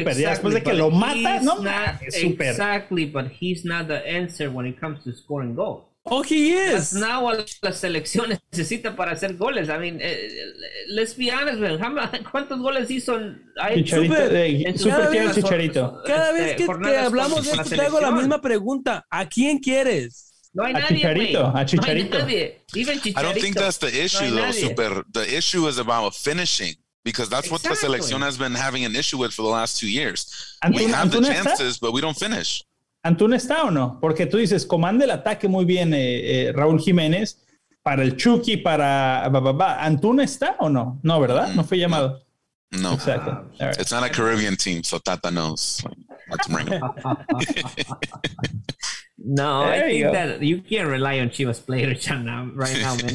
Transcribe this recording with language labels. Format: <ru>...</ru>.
<en>Exactly, yeah,</en> <es>después de que lo mata, no, super.</es> <en>Exactly, but he's not the answer when it comes to scoring goals. Oh, he is. That's not what</en> <es>la selección necesita para hacer goles.</es> <en>I mean, let's be honest, man.</en> <es>¿Cuántos goles hizo? Chicharito. Cada vez que hablamos de esto, te hago la misma pregunta. ¿A quién quieres? No hay nadie, Chicharito.</es> <en>Even Chicharito. I don't think that's the issue, Super. The issue is about finishing, because that's what the selección has been having an issue with for the last 2 years. We have the chances, but we don't finish.</en> <es>¿Antuna está o no? Porque tú dices, comanda el ataque muy bien, Raúl Jiménez, para el Chucky, para... ¿Antuna está o no? No, ¿verdad? No fue llamado. No,</es> <en>exactly. All right. It's not a Caribbean team, so Tata knows. Let's bring him. No, there I think go. That you can't rely on Chivas players right now, man.</en>